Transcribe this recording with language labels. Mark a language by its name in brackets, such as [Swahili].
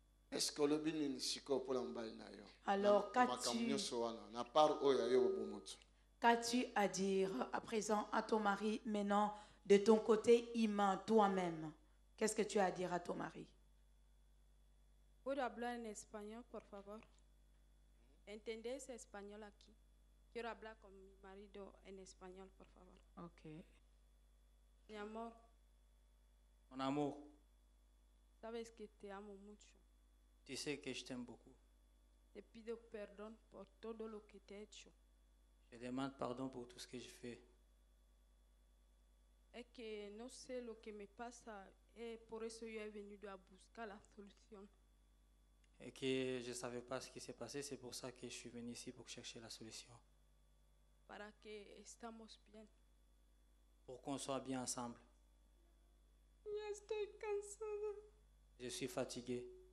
[French] Est-ce que le bini n'est pas le bal? Alors, qu'as-tu à dire à présent à ton mari, maintenant? De ton côté, Iman, toi-même, qu'est-ce que tu as à dire à ton mari? [Spanish] Puedo hablar en español, por favor. ¿Entendés español aquí? Quiero hablar con mi marido en español, por favor. Ok. Mi amor. [French] Mon amour. [Spanish] Sabes que te amo mucho. [French] Tu sais que je t'aime beaucoup. [Spanish] Te pido perdón por todo lo que te he hecho. [French] Je demande pardon pour tout ce que je fais. [Spanish] Es que no sé lo que me pasa y por eso yo he venido a buscar la solución. Es que [French] je savais pas ce qui s'est passé, c'est pour ça que je suis venu ici pour chercher la solution. [Spanish] Para que estamos bien. [French] Pour qu'on soit bien ensemble. [Spanish] Ya estoy cansada. [French] Je suis fatigué.